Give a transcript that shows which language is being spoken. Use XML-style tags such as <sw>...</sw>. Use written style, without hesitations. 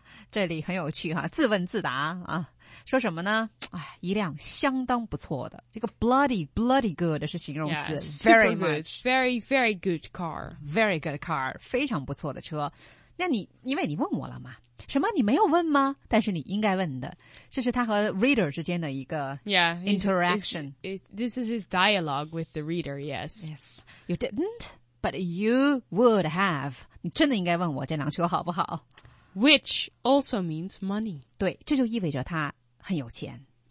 <zh>这里很有趣啊，自问自答啊，说什么呢？哎，一辆相当不错的，这个 bloody good 是形容词</zh> <en>,very much. Very, very good car. Very good car,</en> <zh>非常不错的车。那你，因为你问我了嘛，什么你没有问吗？但是你应该问的，这是他和 reader 之间的一个 interaction.</zh> <en>This is his dialogue with the reader, yes. Yes, you didn't? But you would have.</en> <zh>你真的应该问我这辆车好不好。</zh> <en>Which also means money.</en> <zh>对，这就意味着他很有钱。</zh>